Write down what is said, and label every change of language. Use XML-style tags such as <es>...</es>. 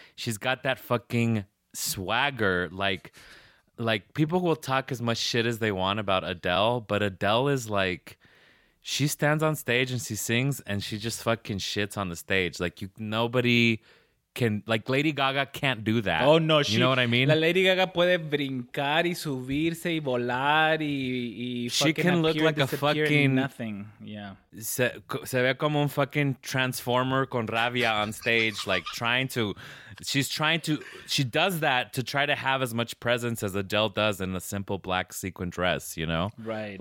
<en>She's got that fucking swagger. Like people will talk as much shit as they want about Adele, but Adele is like, she stands on stage and she sings and she just fucking shits on the stage. Like, nobody can, like, Lady Gaga can't do that. Oh, no. You know what I mean?</en> <es>La Lady Gaga puede brincar y subirse y volar y</es> <en>she can look like a fucking nothing. Yeah.</en> <es>Se ve como un fucking transformer con rabia</es> <en>on stage, like she does that to try to have as much presence as Adele does in a simple black sequin dress, you know? Right.</en>